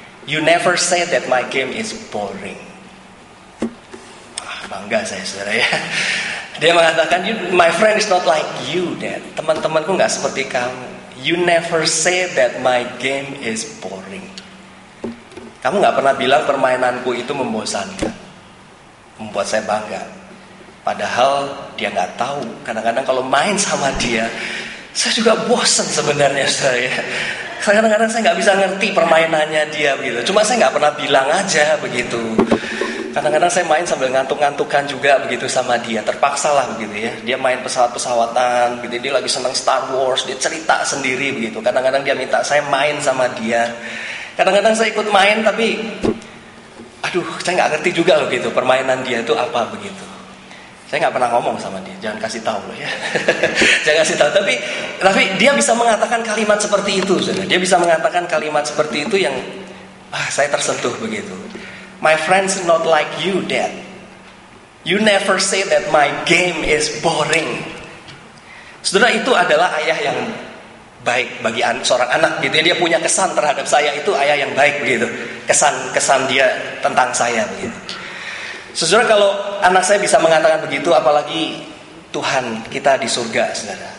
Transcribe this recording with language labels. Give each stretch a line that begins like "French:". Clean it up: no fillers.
English: "You never say that my game is boring."
Indonesian: Bangga saya, saudara ya. Dia mengatakan,
English: "My friend is not like you, Dad."
Indonesian: Teman-temanku gak seperti kamu.
English: "You never say that my game is boring."
Indonesian: Kamu gak pernah bilang permainanku itu membosankan. Membuat saya bangga. Padahal dia gak tahu. Kadang-kadang kalau main sama dia, saya juga bosan sebenarnya, saudara ya. Kadang-kadang saya gak bisa ngerti permainannya dia gitu. Cuma saya gak pernah bilang aja begitu. Kadang-kadang saya main sambil ngantuk-ngantukan juga begitu sama dia, terpaksa lah begitu ya. Dia main pesawat-pesawatan, gitu. Dia lagi senang Star Wars, dia cerita sendiri begitu. Kadang-kadang dia minta saya main sama dia. Kadang-kadang saya ikut main tapi, aduh, saya nggak ngerti juga loh gitu, permainan dia itu apa begitu. Saya nggak pernah ngomong sama dia, jangan kasih tahu loh ya. Jangan kasih tahu. Tapi dia bisa mengatakan kalimat seperti itu, saudara. Dia bisa mengatakan kalimat seperti itu yang, saya tersentuh begitu.
English: "My friends not like you, Dad. You never say that my game is boring."
Indonesian: Saudara, itu adalah ayah yang baik bagi seorang anak gitu. Dia punya kesan terhadap saya itu ayah yang baik begitu. Kesan dia tentang saya begitu. Saudara, kalau anak saya bisa mengatakan begitu, apalagi Tuhan kita di surga, saudara.